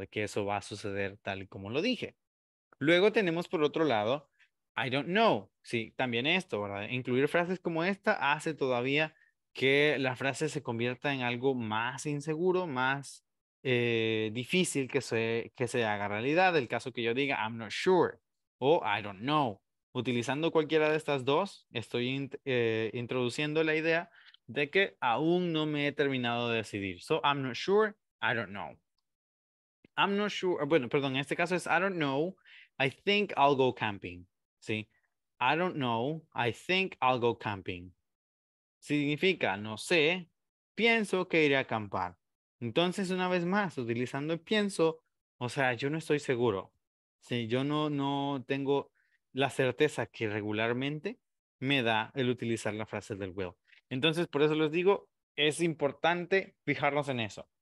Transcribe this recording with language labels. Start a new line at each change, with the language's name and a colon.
Spanish: De que eso va a suceder tal y como lo dije. Luego tenemos por otro lado,
English: I don't know.
Spanish: Sí, también esto, ¿verdad? Incluir frases como esta hace todavía que la frase se convierta en algo más inseguro, más difícil que se haga realidad. El caso que yo diga,
English: I'm not sure
Spanish: o
English: I don't know.
Spanish: Utilizando cualquiera de estas dos, estoy introduciendo la idea de que aún no me he terminado de decidir.
English: So, I'm not sure, I don't know. I'm not sure,
Spanish: bueno, perdón, en este caso es
English: I don't know, I think I'll go camping, ¿sí? I don't know, I think I'll go camping.
Spanish: Significa, no sé, pienso que iré a acampar. Entonces, una vez más, utilizando el pienso, o sea, yo no estoy seguro. ¿Sí? Yo no tengo la certeza que regularmente me da el utilizar la frase del will. Entonces, por eso les digo, es importante fijarnos en eso.